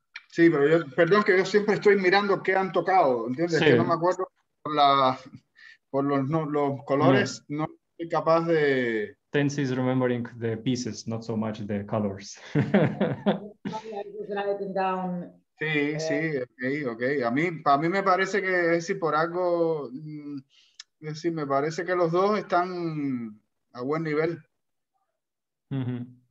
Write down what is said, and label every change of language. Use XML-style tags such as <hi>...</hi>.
<es>Sí, pero yo, perdón, que yo siempre estoy mirando qué han tocado, ¿entiendes? Sí. Que no me acuerdo por los colores, no soy capaz de...</es> <en>Tense is remembering the pieces, not so much the colors.</en> <es>sí, ok. A mí me parece que, si por algo, si me parece que los dos están a buen nivel. Mm-hmm.</es>